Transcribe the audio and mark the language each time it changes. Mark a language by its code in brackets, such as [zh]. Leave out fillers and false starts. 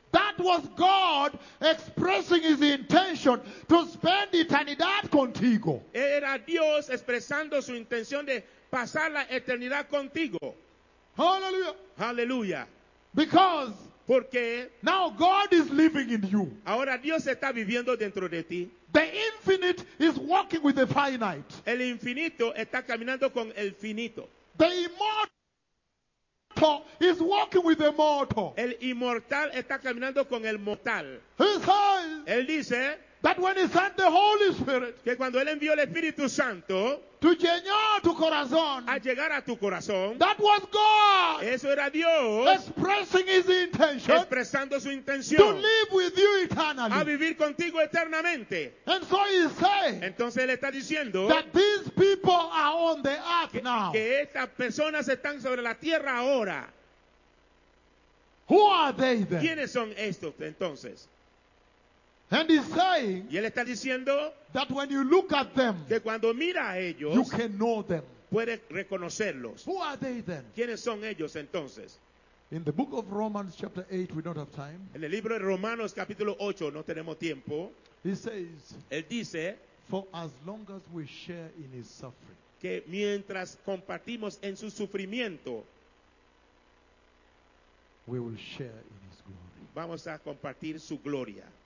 [en] That was God expressing his intention to spend [es] eternidad contigo. Era Dios expresando su intención de pasar la eternidad contigo. Hallelujah. Hallelujah. [en] Because [es] porque [en] now God is living in you. [es] Ahora Dios está viviendo dentro de ti. [en] The infinite is walking with the finite. [es] El infinito está caminando con el finito. [en] The immortal is walking with the mortal. [es] El inmortal está caminando con el mortal. [en] He says, [es] él dice, [en] that when he sent the Holy Spirit, [es] que cuando él envió el Espíritu Santo, to llenar tu corazón, a llegar a tu corazón, [en] that was God, [es] eso era Dios, [en] expressing his intention, [es] expresando su intención, [en] to live with you eternally, [es] a vivir contigo eternamente. [en] And so he says, [es] entonces él está diciendo, [en] that these people are on the earth now, [es] que estas personas están sobre la tierra ahora. [en] Who are they then? [es] ¿Quiénes son estos entonces? [en] And he's saying, [es] y él está diciendo, [en] that when you look at them, [es] que cuando mira a ellos, [en] you can know them. [es] Puede reconocerlos. [en] Who are they then? [es] ¿Quiénes son ellos entonces? [en] In the book of Romans chapter 8, we don't have time. [es] En el libro de Romanos capítulo 8, no tenemos tiempo. [en] He says, [es] él dice, [en] for as long as we share in his suffering, [es] que mientras compartimos en su sufrimiento, [en] we will share in his glory. [es] Vamos a compartir su gloria.